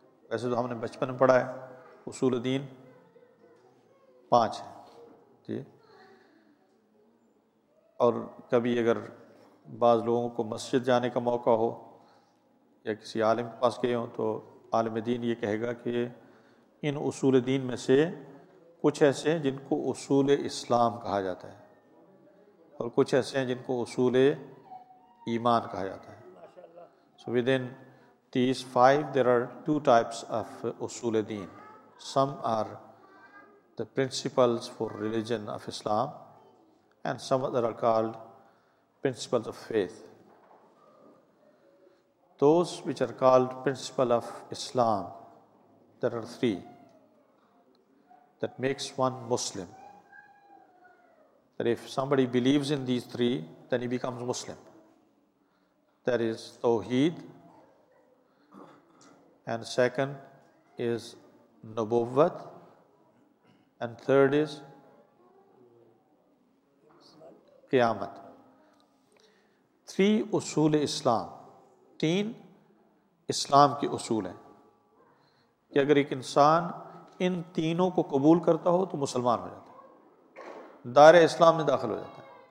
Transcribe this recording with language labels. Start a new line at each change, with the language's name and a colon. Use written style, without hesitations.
Urdu: ویسے تو ہم نے بچپن میں پڑھا ہے اصول دین 5 ہیں جی, اور کبھی اگر بعض لوگوں کو مسجد جانے کا موقع ہو یا کسی عالم کے پاس گئے ہوں تو عالم دین یہ کہے گا کہ ان اصول دین میں سے کچھ ایسے ہیں جن کو اصول اسلام کہا جاتا ہے اور کچھ ایسے ہیں جن کو اصول ایمان کہا جاتا ہے.
English: So within these five, there are two types of usul-e-deen. Some are the principles for religion of Islam, and some other are called principles of faith. Those which are called principle of Islam, there are three that makes one Muslim. That if somebody believes in these three, then he becomes Muslim. That is Tawheed, and second is Nubuwwat, and third is Qiyamah.
Urdu: Three usool Islam, teen Islam ki usool hai ki agar ek insaan ان تینوں کو قبول کرتا ہو تو مسلمان ہو جاتا ہے، دائرہ اسلام میں داخل ہو جاتا ہے.